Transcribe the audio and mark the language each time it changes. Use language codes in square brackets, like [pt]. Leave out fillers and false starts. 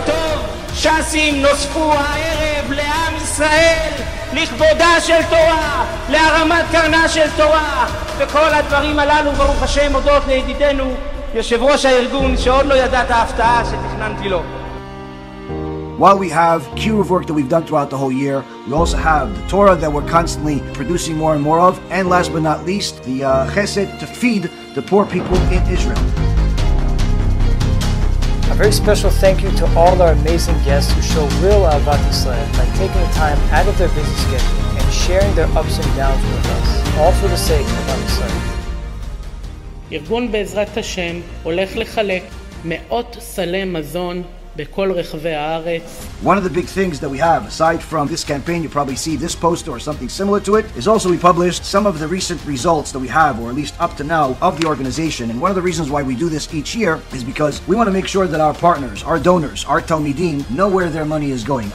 [he] טוב, ש"סים נוספו הערב לעם ישראל לכבודה של תורה, להרמת קרנה של תורה, וכל הדברים הללו ברוך השם הודות לידידנו יושב ראש הארגון, שעוד לא ידע את ההפתעה שתכננתי לו. [en] While we have Kiruv work that we've done throughout the whole year, we also have the Torah that we're constantly producing more and more of, and last but not least, the Chesed to feed the poor people in Israel. A very special thank you to all our amazing guests who show real Ahavat Yisrael by taking the time out of their busy schedule and sharing their ups and downs with us, all for the sake of Am Yisrael. [he] ארגון בעזרת השם הולך לחלק מאות סלי מזון בכל רחבי הארץ. [en] One of the big things that we have, aside from this campaign, you probably see this poster or something similar to it, is also we published some of the recent results that we have, or at least up to now, of the organization. And one of the reasons why we do this each year is because we want to make sure that our partners, our donors, our Talmidim, know where their money is going.